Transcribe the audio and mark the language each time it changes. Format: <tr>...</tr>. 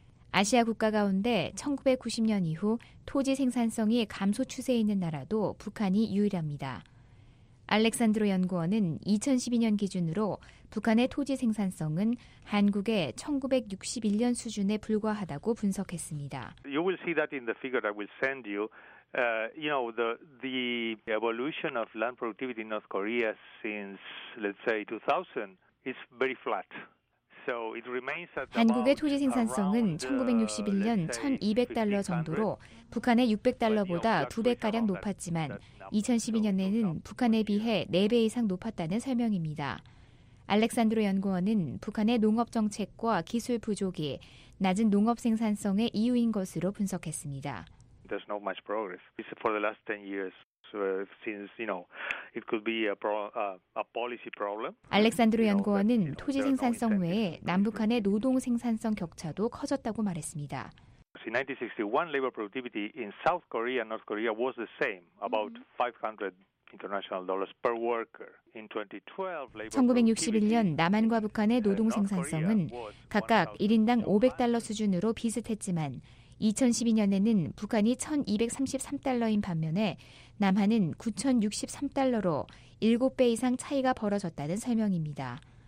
<ko>아시아 국가 가운데 1990년 이후 토지 생산성이 감소 추세에 있는 나라도 북한이 유일합니다. 알렉산드로 연구원은 2012년 기준으로 북한의 토지 생산성은 한국의 1961년 수준에 불과하다고 분석했습니다.</ko> <en>You will see that in the figure that I will send you. You know, the evolution of land productivity in North Korea since, let's say, 2000 is very flat.</en> <ko>한국의 토지 생산성은 1961년 1,200달러 정도로 북한의 600달러보다 2배가량 높았지만 2012년에는 북한에 비해 4배 이상 높았다는 설명입니다. 알렉산드로 연구원은 북한의 농업 정책과 기술 부족이 낮은 농업 생산성의 이유인 것으로 분석했습니다.</ko> <en>There's not much progress. It's for the last 10 years. Since, you know, it could be a policy problem.</en> <ko>알렉산드로 연구원은 토지 생산성 외에 남북한의 노동 생산성 격차도 커졌다고 말했습니다.</ko> <en>In 1961, labor productivity in South Korea and North Korea was the same, about 500 international dollars per worker. In 2012,</en> <ko>1961년 남한과 북한의 노동 생산성은 각각 1인당 500달러 수준으로 비슷했지만 2012년에는 북한이 1,233달러인 반면에 남한은 9,063달러로 7배 이상 차이가 벌어졌다는 설명입니다.</ko>